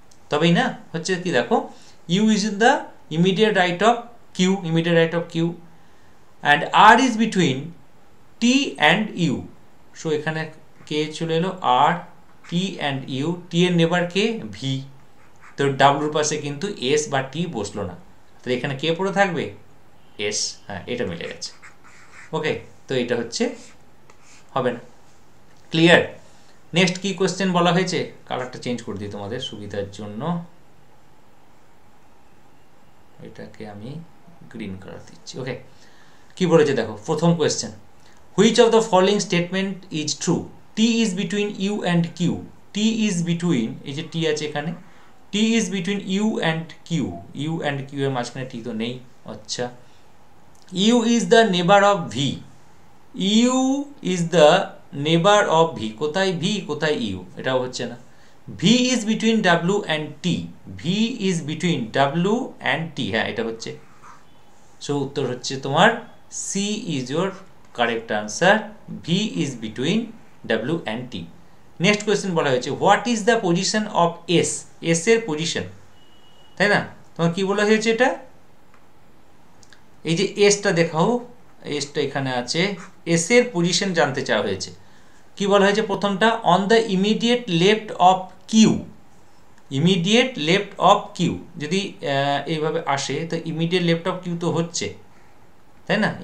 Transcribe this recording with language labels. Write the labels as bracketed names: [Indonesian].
[Bangla] তবেই না হচ্ছে কি, দেখো [English] u is in the immediate right of q, immediate right of q, and r is between t and u, [Bangla] so এখানে কে চলে এলো, r, [English] t and u, [Bangla] t এর নেবার কে, v, তো w এর পাশে কিন্তু s বা t বসলো না, তো এখানে কে পড়ে থাকবে, s, হ্যাঁ এটা মিলে গেছে, ওকে, তো এটা হচ্ছে হবে না, ক্লিয়ার। নেক্সট কি কোশ্চেন বলা হয়েছে, কালারটা চেঞ্জ করে দিই তোমাদের সুবিধার জন্য, এটাকে আমি গ্রিন কালার দিচ্ছি, ওকে, কি বলেছে দেখো, প্রথম question, [English] which of the following statement is true, t is between u and q, [Bangla] t is between, এই যে t আছে এখানে, t is between u and q, u and q এর মাঝখানে t তো নেই, আচ্ছা, [English] u is the neighbor of v, u is the neighbor of v, [Bangla] কোথায় v কোথায় u, এটাও হচ্ছে না, [English] v is between w and t, [Bangla] v is between w and t, হ্যাঁ এটা হচ্ছে, সো উত্তর হচ্ছে তোমার [English] c is your correct answer, v is between W and T. Next question বলা হয়েছে, what is the position of S? [Bangla] S এর position, তাই না? তোমার কি বলা হয়েছে এটা? এই যে S টা দেখাও, S টা এখানে আছে, S এর position জানতে চাওয়া হয়েছে। কি বলা হয়েছে প্রথমটা? [English] On the immediate left of Q. Immediate left of Q. [Bangla] যদি এইভাবে আসে, তো [English] immediate left of Q [Bangla] তো হচ্ছে, তাই না?